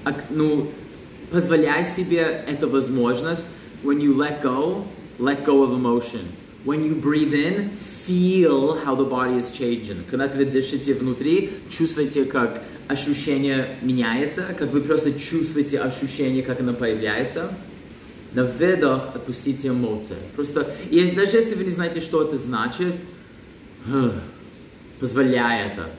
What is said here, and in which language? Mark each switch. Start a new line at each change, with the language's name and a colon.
Russian: Ну, позволяй себе эту возможность.
English: When you let go of emotion. When you breathe in, feel how the body is changing.
Russian: Когда вы дышите внутри, чувствуйте, как ощущение меняется, как вы просто чувствуете ощущение, как оно появляется. На выдох отпустите эмоции. Просто, и даже если вы не знаете, что это значит, позволяй это.